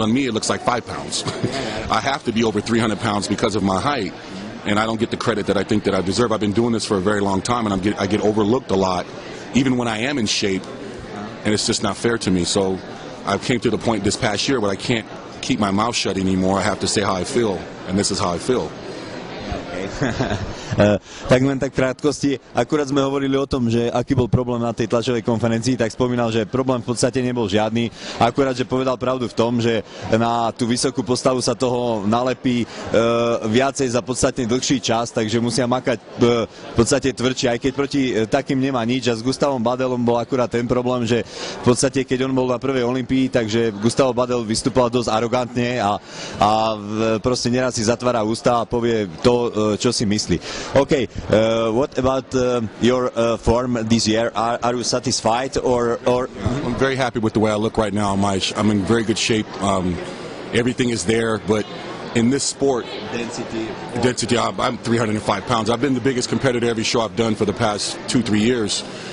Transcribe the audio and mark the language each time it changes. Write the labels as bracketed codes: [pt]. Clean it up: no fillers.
[en] On me, it looks like 5 pounds. I have to be over 300 pounds because of my height, and I don't get the credit that I think that I deserve. I've been doing this for a very long time, and I get overlooked a lot, even when I am in shape, and it's just not fair to me. So I came to the point this past year where I can't keep my mouth shut anymore. I have to say how I feel, and this is how I feel. [sk] Tak len tak v krátkosti, akurát sme hovorili o tom, že aký bol problém na tej tlačovej konferencii, tak spomínal, že problém v podstate nebol žiadny, akurát, že povedal pravdu v tom, že na tú vysokú postavu sa toho nalepí viacej za podstatne dlhší čas, takže musia makať v podstate tvrdšie, aj keď proti takým nemá nič. A s Gustavom Badelom bol akurát ten problém, že v podstate, keď on bol na prvej Olympii, takže Gustavo Badel vystupoval dosť arogantne a proste neraz si zatvára ústa a povie to, čo si myslí. [en] Okay, what about your form this year? Are you satisfied or? I'm very happy with the way I look right now. I'm in very good shape. Everything is there, but in this sport, density. I'm 305 pounds. I've been the biggest competitor every show I've done for the past 2-3 years.